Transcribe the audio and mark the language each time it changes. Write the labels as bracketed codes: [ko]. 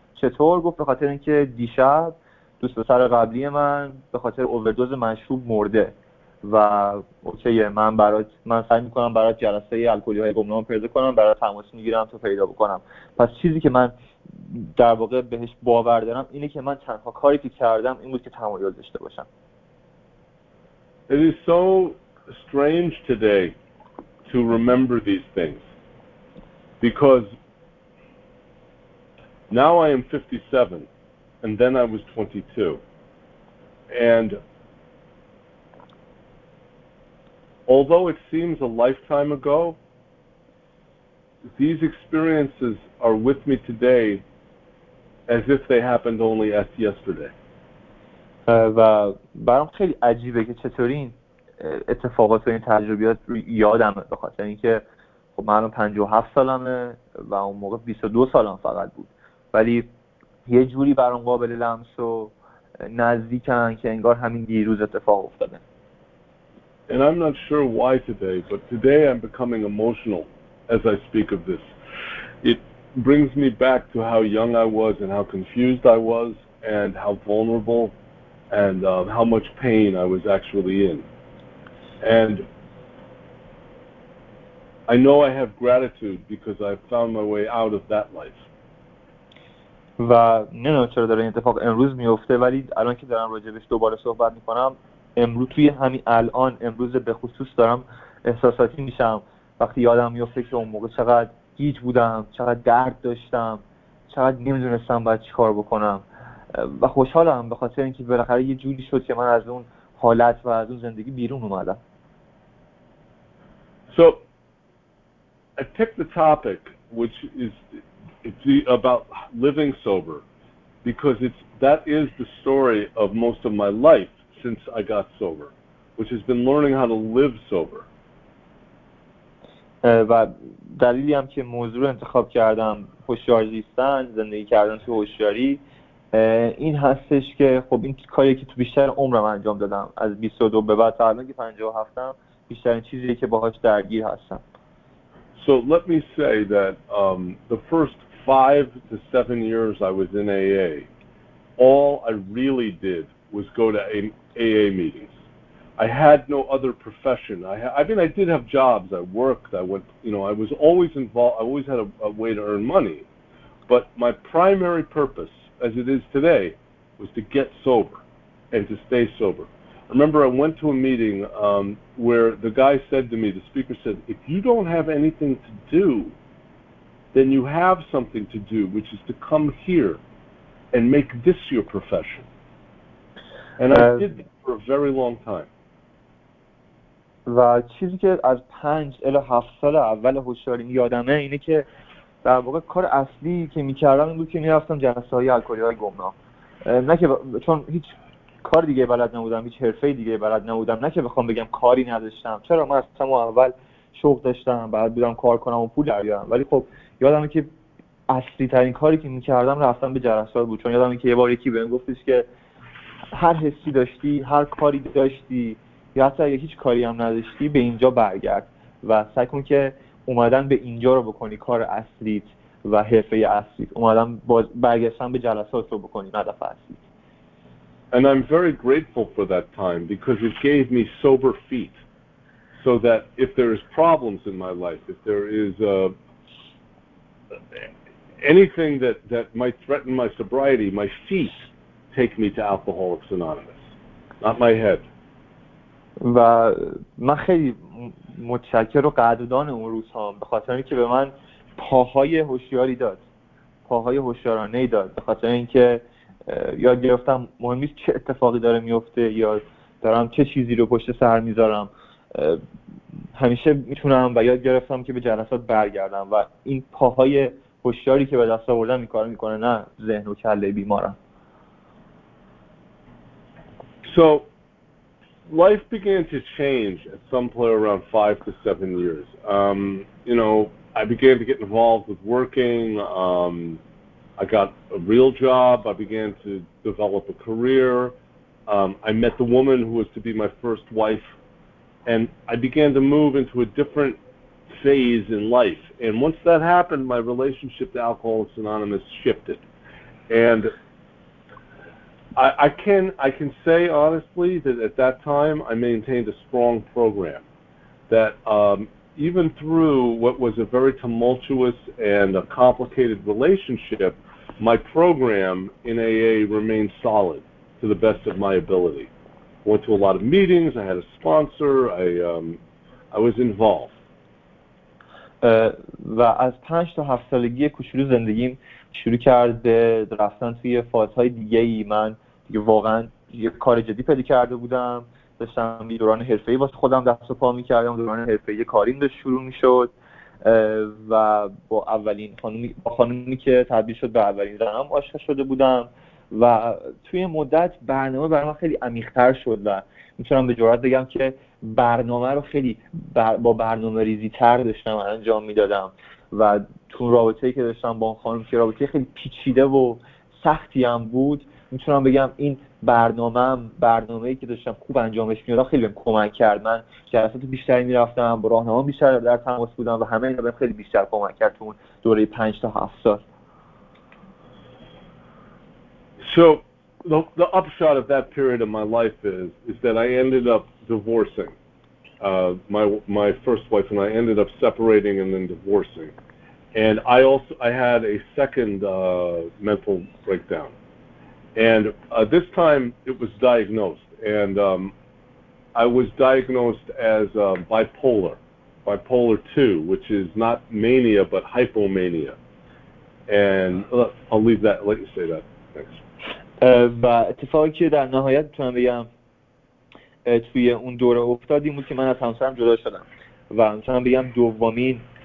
[fa] چطور؟ گفت به خاطر اینکه دیشب دوست پسر قبلی من به خاطر اووردوز مشروب مرده و اوکیه، من سعی میکنم برات جلسه الکلی های گمنام پیدا کنم، برات تماس میگیرم تو پیدا بکنم. پس چیزی که من در واقع بهش باور دارم اینه که من تنها کاری که کردم این بود که تمایل داشته باشم. [en] It is so strange today to remember these things because now I am 57 and then I was 22 and although it seems a lifetime ago, these experiences are with me today as if they happened only as yesterday. [fa] و برام خیلی عجیبه که چطوری این اتفاقات و این تجربیات یادمه، به خاطر اینکه خب من 57 سالمه و اون موقع 22 سالم فقط بود، ولی یه جوری برام قابل لمس و نزدیکن که انگار همین دیروز اتفاق افتاده. [en] And I'm not sure why today, but today I'm becoming emotional as I speak of this. It brings me back to how young I was and how confused I was and how vulnerable and how much pain I was actually in. And I know I have gratitude because I found my way out of that life. [fa] و نه نه چرا داره این اتفاق امروز میفته، ولی الان که دارم راجبش دوباره صحبت میکنم، امروز توی همین الان امروز به خصوص دارم احساساتی میشم وقتی یادم میفته که اون موقع چقدر گیج بودم، چقدر درد داشتم، چقدر نمیدونستم باید چی کار بکنم و خوشحالم به خاطر اینکه بالاخره یه جوری شد که من از اون حالت و از اون زندگی بیرون اومدم. [en] So I picked the topic which is about living sober because that is the story of most of my life since I got sober, which has been learning how to live sober. [fa] و دلیلی هم که موضوع رو انتخاب کردم هوشیار زیستن، زندگی کردن تو هوشیاری، این هستش که خب این کاری که تو بیشتر عمرم انجام دادم از 22 به بعد تا الان که 57 ام، بیشترین چیزی که باهاش درگیر هستم. [en] So let me say that the first 5 to 7 years I was in AA, all I really did was go to AA meetings. I had no other profession. I did have jobs. I worked. I went. You know, I was always involved. I always had a way to earn money. But my primary purpose, as it is today, was to get sober and to stay sober. I remember I went to a meeting where the guy said to me, the speaker said, if you don't have anything to do, then you have something to do, which is to come here and make this your profession. And I did that for a very long time. [fa] و چیزی که از 5 الی 7 سال اول هوشیاری یادمه اینه که در واقع کار اصلی که میکردم این بود که میرفتم جلسه های الکلی های گمنام، نه که چون هیچ کار دیگه بلد نبودم، هیچ حرفه دیگه بلد نبودم، نه که بخوام بگم کاری نداشتم، چرا، من از تمام اول شغل داشتم، بعد بودم کار کنم و پول در بیارم، ولی خب یادمه که اصلی ترین کاری که میکردم رفتم به جلسات بود. چون یادمه که یه بار یکی بهم گفتش که هر حسی داشتی، هر کاری داشتی یا حتی اگه هیچ کاری هم نداشتی به اینجا برگرد و سعی کن که اومدن به اینجا رو بکنی کار اصلیت و حرفه اصلیت، اومدن برگشتن به جلسات رو بکنی هدف اصلیت. [en] And I'm very grateful for that time because it gave me sober feet so that if there is problems in my life, if there is anything that might threaten my sobriety, my feet take me to Alcoholics Anonymous, not my head. [fa] و من خیلی متشکر و قدردان اون روزها به خاطر اینکه به من پاهای هوشیاری داد، پاهای هوشیارانه داد، به خاطر اینکه یاد گرفتم مهم نیست چه اتفاقی داره میفته یا دارم چه چیزی رو پشت سر میذارم، همیشه میتونم، و یاد گرفتم که به جلسات برگردم و این پاهای هوشیاری که به دست آوردم این کارو میکنه، نه ذهن و کله بیمارم. [en] So life began to change at some point around 5 to 7 years. You know, I began to get involved with working. I got a real job. I began to develop a career. I met the woman who was to be my first wife. And I began to move into a different phase in life. And once that happened, my relationship to Alcoholics Anonymous shifted. And I can say honestly that at that time I maintained a strong program that even through what was a very tumultuous and a complicated relationship, my program in AA remained solid to the best of my ability. Went to a lot of meetings, I had a sponsor, I was involved. [fa] و از 5 تا 7 سالگی کوچولو زندگیم شروع کرد به رفتن توی فازهای دیگه‌ای. من دیگه واقعا یه کار جدی پیدا کرده بودم، داشتم یه دوران حرفه‌ای واسه خودم دست و پا می‌کردم، دوران حرفه‌ای کاریم داشت شروع می‌شد و با اولین خانومی که تبدیل شد به اولین زنم عاشق شده بودم و توی مدت برنامه برام خیلی عمیق‌تر شد و می‌تونم به جرات بگم که برنامه رو خیلی با برنامه‌ریزی‌تر داشتم انجام می‌دادم و تو رابطه‌ای که داشتم با اون خانم که رابطه خیلی پیچیده و سختی هم بود، میتونم بگم این برنامه‌ای که داشتم خوب انجامش میاد خیلی بهم کمک کرد. من جلسات بیشتری میرفتم، با راهنما بیشتر در تماس بودم و همه اینا بهم خیلی بیشتر کمک کرد تو اون دوره 5 تا 7 سال. [en] So the upshot of that period of my life is that I ended up divorcing. My first wife and I ended up separating and then divorcing. And I had a second mental breakdown. And this time it was diagnosed, and I was diagnosed as bipolar 2, which is not mania but hypomania. And I'll leave that. Let you say that. Thanks. [fa] اتفاقی که در نهایت تونم بگم توی اون دوره افتاد این بود که من از همسرم جدا شدم و تونم بگم دومین